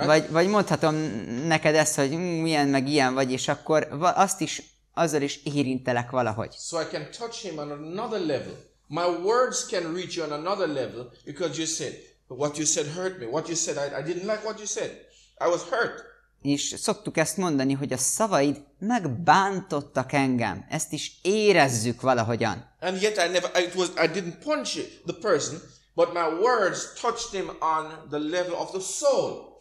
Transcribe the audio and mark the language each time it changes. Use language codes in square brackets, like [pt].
[hu] Vagy mondhatom neked ezt, hogy milyen meg ilyen vagy, és akkor azt is azzal is érintelek valahogy. [en] So I can touch him on another level. My words can reach you on another level because you said what you said hurt me. What you said I didn't like what you said. I was hurt. [hu] És szoktuk ezt mondani, hogy a szavaid megbántottak engem. Ezt is érezzük valahogyan. [en] And yet I didn't punch the person, but my words touched him on the level of the soul.